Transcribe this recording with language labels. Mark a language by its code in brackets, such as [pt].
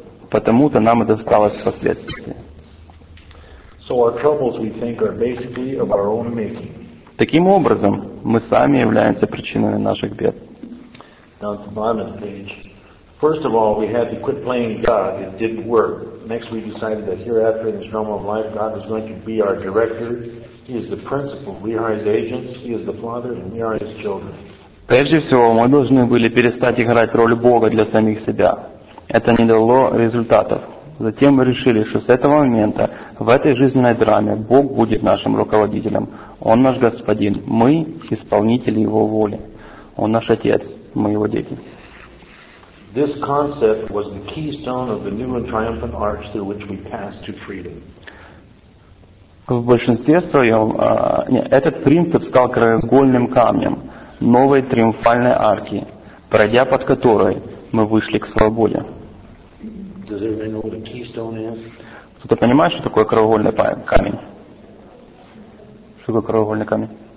[ru] потому-то нам и досталось впоследствии. [en] So our troubles, we think, are basically of our own making. [ru] Таким образом, мы сами являемся причиной наших бед. [en] Down to bottom page. First of all, we had to quit playing God. It didn't work. Next, we decided that hereafter, in this realm of life, God is going to be our director. He is the principal. We are His agents. He is the Father, and we are His children. [ru] Прежде всего, мы должны были перестать играть роль Бога для самих себя. Это не дало результатов. Затем мы решили, что с этого момента в этой жизненной драме Бог будет нашим руководителем. Он наш Господин. Мы – исполнители Его воли. Он наш Отец. Мы Его дети. [en] This concept was the keystone of the new and triumphant arch through which we passed to freedom. [ru] В большинстве своем, этот принцип стал краеугольным камнем новой триумфальной арки, пройдя под которой мы вышли к свободе. [en] Does everybody know what a keystone is? [ru] Кто-то понимает, что такое краеугольный камень? Что такое краеугольный камень?